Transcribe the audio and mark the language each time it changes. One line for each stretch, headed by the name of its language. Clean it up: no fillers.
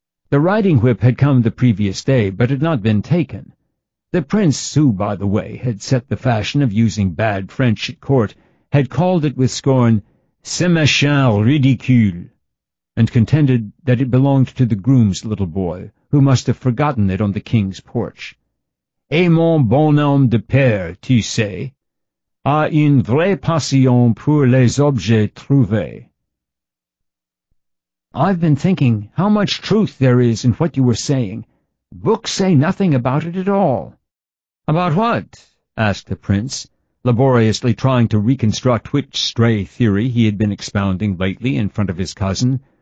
English: The riding whip had come the previous day, but had not been taken. The prince, who, by the way, had set the fashion of using bad French at court, had called it with scorn,
French: "C'est machin ridicule,"
English: and contended that it belonged to the groom's little boy, who must have forgotten it on the king's porch.
French: "Et mon bonhomme de père, tu sais, a une vraie passion pour les objets trouvés."
English: "I've been thinking how much truth there is in what you were saying. Books say nothing about it at all." "About what?" asked the prince, laboriously trying to reconstruct which stray theory he had been expounding lately in front of his cousin.